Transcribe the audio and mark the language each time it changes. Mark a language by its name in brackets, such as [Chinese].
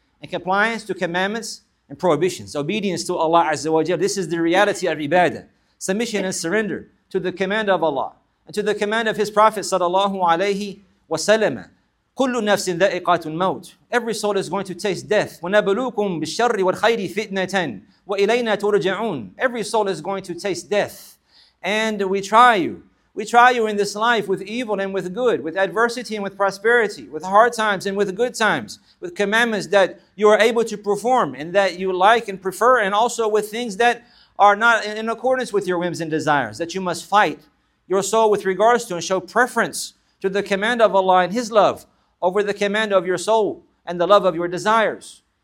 [English] In compliance to commandments and prohibitions. Obedience to Allah Azza wa Jal. This is the reality of ibadah. Submission and surrender to the command of Allah and to the command of His Prophet sallallahu alayhi wa sallam. [Arabic] كل نفس ذائقات الموت. [English] Every soul is going to taste death. [Arabic] ونبلوكم بالشر والخير فتنة وإلينا ترجعون. [English] Every soul is going to taste death. And we try you. We try you in this life with evil and with good, with adversity and with prosperity, with hard times and with good times, with commandments that you are able to perform and that you like and prefer, and also with things that are not in accordance with your whims and desires, that you must fight your soul with regards to and show preference to the command of Allah and His love over the command of your soul and the love of your desires.